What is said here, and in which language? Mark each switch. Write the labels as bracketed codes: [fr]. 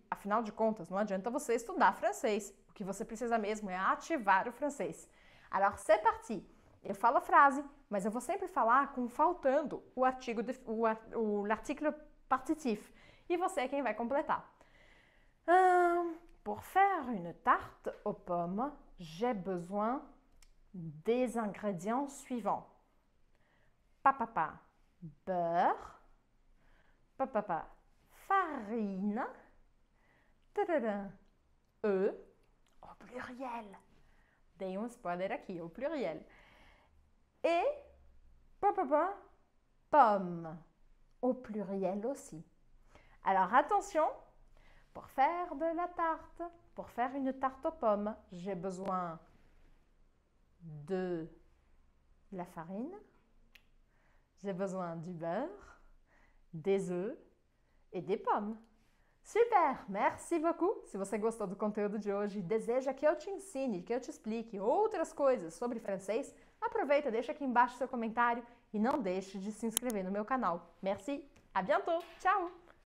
[pt] Afinal de contas, não adianta você estudar francês. O que você precisa mesmo é ativar o francês. [fr] Alors, c'est parti! [pt] Eu falo a frase, mas eu vou sempre falar com faltando o artigo, o l'article partitif. E você é quem vai completar. [fr] Pour faire une tarte aux pommes, j'ai besoin des ingrédients suivants. Papa, beurre. Papa, farine, tadadam, œufs, au pluriel. [pt] Dei um spoiler aqui, [fr] au pluriel. Et papa, pomme, au pluriel aussi. Alors attention, pour faire de la tarte, pour faire une tarte aux pommes, j'ai besoin de la farine, J'ai besoin du beurre, des œufs et des pommes. Super! Merci beaucoup! [pt] Se você gostou do conteúdo de hoje e deseja que eu te ensine, que eu te explique outras coisas sobre francês, aproveita, deixa aqui embaixo seu comentário e não deixe de se inscrever no meu canal. [fr] Merci! À bientôt! [pt] Ciao!